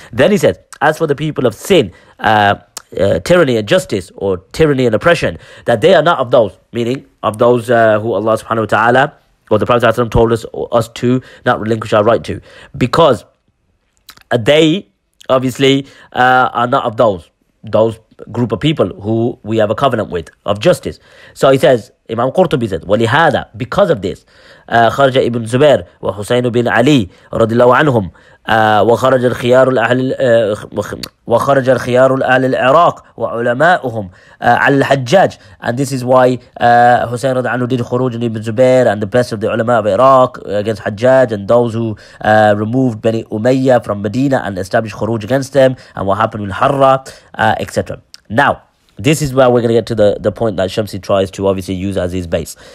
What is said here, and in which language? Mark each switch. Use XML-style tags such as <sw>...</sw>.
<en>Then he says, as for the people of sin, tyranny and justice, or tyranny and oppression, that they are not of those, meaning of those who Allah subhanahu wa ta'ala or the Prophet ﷺ told us to not relinquish our right to, because they obviously are not of those group of people who we have a covenant with of justice. So he says, Imam Qurtubi said,</en> <ar>وَلِهَذَا,</ar> <en>because of this,</en> <ar>خَرْجَ ibn Zubair وَحُسَيْنُ بِنْ عَلِي رَضِي اللَّهُ عَنْهُمْ وَخَرَجَ الْخِيَارُ الْأَهْلِ وَخَرَجَ الْخِيَارُ الْأَهْلِ الْعِرَاقِ وَعُلَمَاؤُهُمْ عَلَى الْحَجَّاجِ.</ar> <en>And this is why Hussein</en> <ar>رضي الله عنه</ar> <en>did خروج ibn Zubair and the best of the ulama of Iraq against Hajjaj, and those who removed Bani Umayyah from Medina and established خروج against them, and what happened with Harra, etc. Now, this is where we're going to get to the point that Shamsi tries to obviously use as his base.</en>